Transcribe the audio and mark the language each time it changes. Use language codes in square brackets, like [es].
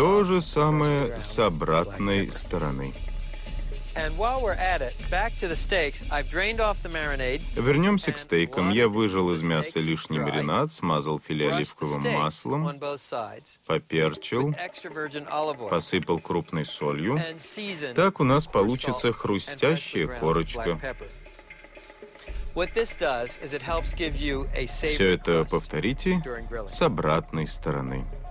[ru] То же самое с обратной стороны. [en] And while we're at it, back to the steaks. I've drained off the marinade. [ru] Вернемся к стейкам. Я выжал из мяса лишний маринад, смазал филе оливковым маслом, поперчил, посыпал крупной солью. Так у нас получится хрустящая корочка. Все это повторите с обратной стороны.